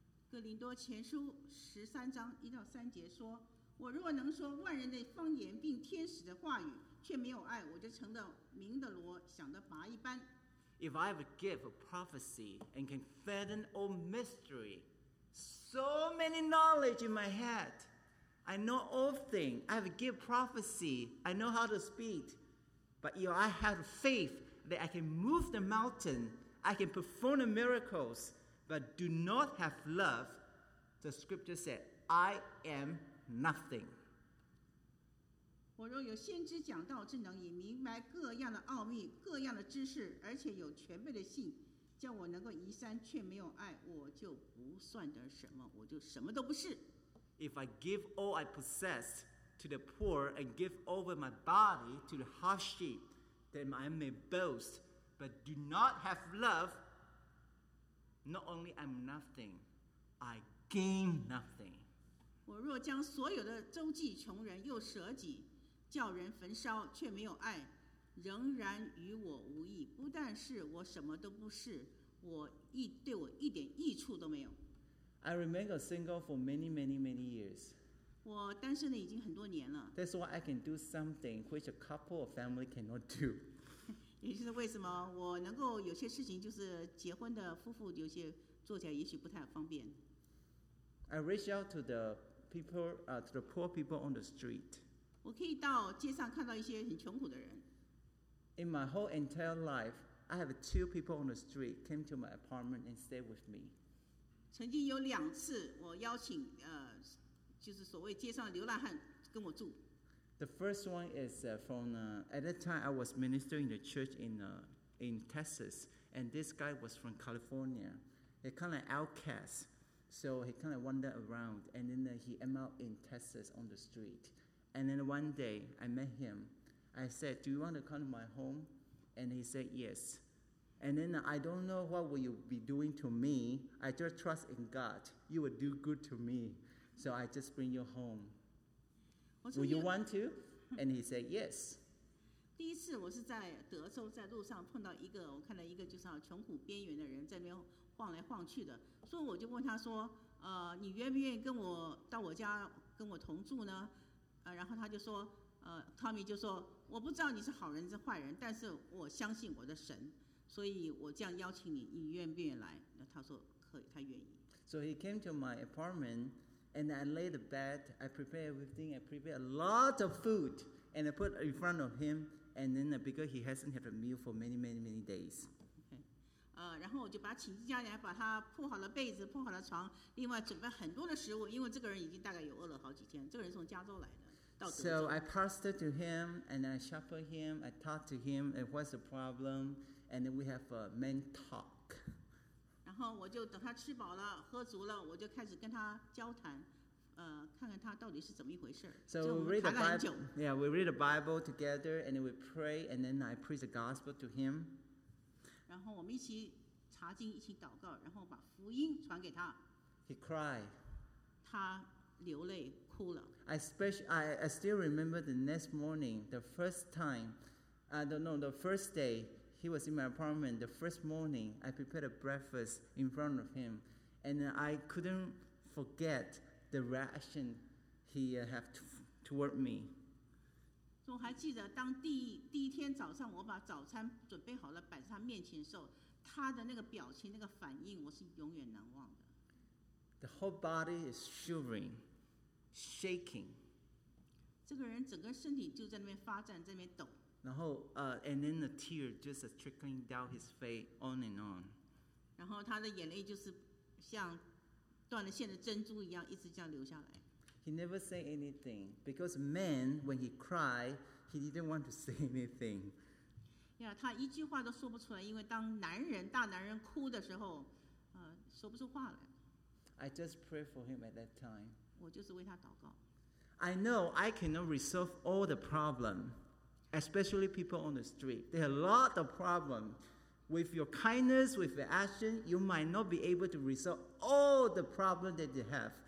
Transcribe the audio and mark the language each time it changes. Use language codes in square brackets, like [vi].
[zh] 哥林多前书13:1-3说，我若能说万人的方言并天使的话语，却没有爱，我就成了鸣的锣响的拔一般。 [en] If I have a gift of prophecy and can fathom all mystery, so many knowledge in my head, I know all things, I have a gift of prophecy, I know how to speak, but if I have faith that I can move the mountain, I can perform the miraclesBut do not have love, the scripture said, I am nothing. [zh] 我若有先知讲道之能，以明白各样的奥秘、各样的知识，而且有全备的信，叫我能够移山，却没有爱，我就不算得什么，我就什么都不是。 [en] If I give all I possess to the poor and give over my body to the harsh sheep, then I may boast, but do not have love. Not only I'm nothing, I gain nothing. [zh] 我若将所有的周济穷人，又舍己叫人焚烧，却没有爱，仍然与我无益。不但是我什么都不是，对我一点益处都没有。 [en] I remained single for many, many, many years. [zh] 我单身了已经很多年了。 [en] That's why I can do something which a couple or family cannot do. [zh] 也就是为什么我能够有些事情，就是结婚的夫妇有些做起来也许不太方便。 [en] I reach out to the people, to the poor people on the street. [zh] 我可以到街上看到一些很穷苦的人。 [en] In my whole entire life, I have two people on the street came to my apartment and stayed with me. [zh] 曾经有两次我邀请就是所谓街上的流浪汉跟我住。 [en] The first one is from, at that time I was ministering the church in Texas, and this guy was from California. He kind of outcast, so he kind of wandered around, and then he ended up in Texas on the street. And then one day I met him. I said, do you want to come to my home? And he said, yes. And then I don't know what will you be doing to me. I just trust in God. You will do good to me. So I just bring you home. Will you want to? And he said, yes. [zh] 第一次我是在德州在路上碰到一个我看到一个就是穷苦边缘的人在那边晃来晃去的所以我就问他说你愿不愿意跟我到我家跟我同住呢然后他就说Tommy 就说我不知道你是好人是坏人但是我相信我的神所以我这样邀请你你愿不愿意来那他说可以他愿意 [en] So he came to my apartment and I laid the bed I prepared everything I prepared a lot of foodAnd I put it in front of him, and then because he hasn't had a meal for many, many, many days. Okay. [zh] 然后我就把他请进家里来，把他铺好了被子，铺好了床，另外准备很多的食物，因为这个人已经大概有饿了好几天。这个人从加州来的，到德州。 [en] So I pastored to him, and I shepherded him, I talked to him, and what's the problem, and then we have a man talk. [zh] 然后我就等他吃饱了，喝足了，我就开始跟他交谈。看看他到底是怎么一回事。 [en] So we read the Bible. Yeah, we read the Bible together, and then we pray, and then I preach the gospel to him. [zh] 然后我们一起查经，一起祷告，然后把福音传给他。 [en] He cried. [zh] 他流泪哭了。 [en] I still remember the next morning, the first time, I don't know, the first day he was in my apartment. The first morning, I prepared a breakfast in front of him, and I couldn't forget. The reaction he have toward me. [zh] 我还记得当第一天早上我把早餐准备好了摆在他面前的时候，他的那个表情、那个反应，我是永远难忘的。 [en] The whole body is shivering, shaking. [zh] 这个人整个身体就在那边发颤，在那边抖。 [en] 然后and then the tear just trickling down his face, on and on. [zh] 然后他的眼泪就是像。断了线的珍珠一样，一直这样流下来。 [en] He never say anything because man, when he cry, he didn't want to say anything. [zh] Yeah, 他一句话都说不出来，因为当男人大男人哭的时候，说不出话来。 [en] I just pray for him at that time. [zh] 我就是为他祷告。 [en] I know I cannot resolve all the problem, especially people on the street. There are a lot of problems. With your kindness, with your action, you might not be able to resolve all the problems that you have.